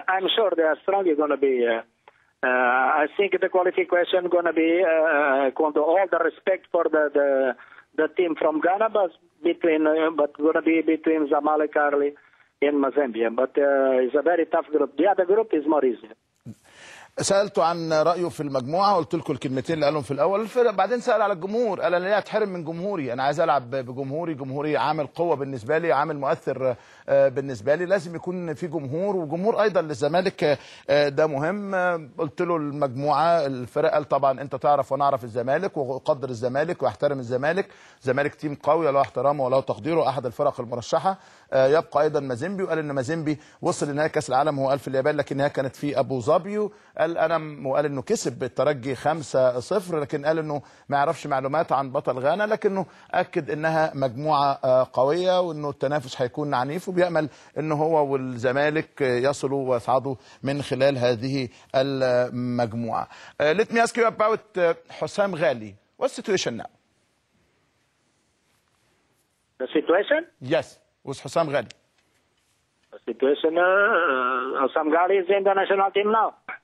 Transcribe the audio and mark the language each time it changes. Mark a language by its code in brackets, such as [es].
[en] I'm sure they are strong. It's going to be, I think the qualification is going to be, with all the respect for the team from Ghana, but going to be between Zamalek, Arli, and Mazembe. But it's a very tough group. The other group is more easy. [ar] سالته عن رايه في المجموعه, قلت لكم الكلمتين اللي قالهم في الاول, بعدين سال على الجمهور, قال انا ليه اتحرم من جمهوري؟ انا عايز العب بجمهوري, جمهوري عامل قوه بالنسبه لي, عامل مؤثر بالنسبه لي, لازم يكون في جمهور, وجمهور ايضا للزمالك ده مهم. قلت له المجموعه الفرق, قال طبعا انت تعرف وانا اعرف الزمالك واقدر الزمالك واحترم الزمالك, زمالك تيم قوي له احترامه وله تقديره, احد الفرق المرشحه. يبقى ايضا مازيمبي, وقال ان مازيمبي وصل لنهائي كاس العالم هو الف اليابان لكنها كانت في ابو ظبي, قال انا, وقال انه كسب الترجي 5-0, لكن قال انه ما يعرفش معلومات عن بطل غانا, لكنه اكد انها مجموعه قويه وانه التنافس هيكون عنيف, وبيامل ان هو والزمالك يصلوا ويصعدوا من خلال هذه المجموعه. [en] Let me ask you about Hossam Ghali. What's the situation now? The situation? Yes. Was Hassam Ghali? The situation, Hassam Ghali is in the national team now.